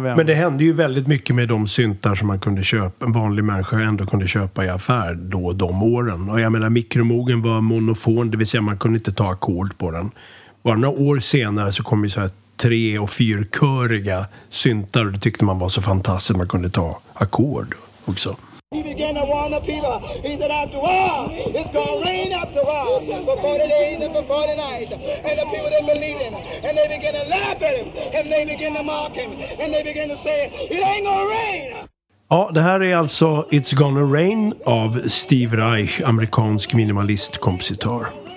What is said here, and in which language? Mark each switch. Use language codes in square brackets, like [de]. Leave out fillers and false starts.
[sv] Men det hände ju väldigt mycket med de syntar som man kunde köpa, en vanlig människa ändå kunde köpa i affär då de åren. Och jag menar, mikromogen var monofon, det vill säga man kunde inte ta ackord på den. Bara några år senare så kom ju så här 3- och 4-köriga syntar, och det tyckte man var så fantastiskt, man kunde ta ackord också. [en] He began to warn the people. He said, after all, it's going to rain after all, for 40 days and for 40 nights. And the people didn't believe him. And they began to laugh at him. And they began to mock him. And they began to say, it ain't going to rain. [sv] Ja, det här är alltså It's Gonna Rain av Steve Reich, amerikansk minimalistkompositör.